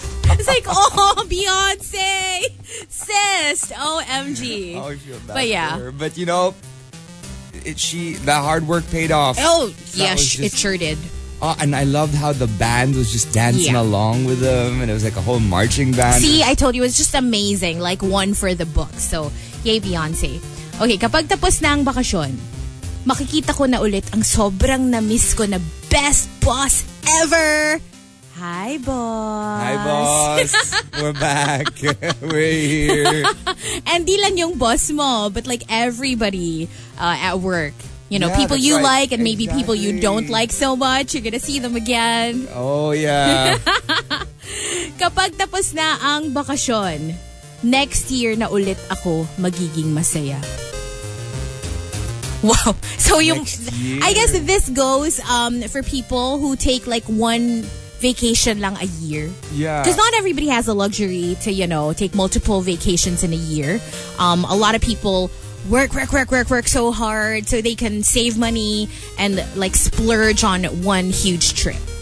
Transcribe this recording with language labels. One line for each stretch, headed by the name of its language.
English: It's like, oh, Beyonce, sis, OMG. I feel bad but yeah. For her. But you know, the hard work paid off. Oh, it sure did. And I loved how the band was just dancing along with them. And it was like a whole marching band. See, I told you, it was just amazing. Like one for the book. So, yay, Beyonce.
Filipino: Okay, kapag tapos na ang bakasyon, makikita ko na ulit ang sobrang na-miss ko na best boss ever.
English: Hi, boss. Hi, boss. We're back. We're here. And
Filipino: di lang yung boss mo,
English: but like everybody at work. You know, yeah, people you like and maybe people you don't like so much. You're gonna see them again. Oh, yeah.
Filipino: Kapag tapos na ang bakasyon,
English: next year
Filipino: na ulit ako magiging masaya.
English: Wow. So yung, I guess this goes for people who take like one vacation lang a year. Yeah. Because not everybody has the luxury to, you know, take multiple vacations in a year. A lot of people work so hard so they can save money and like splurge on one huge trip.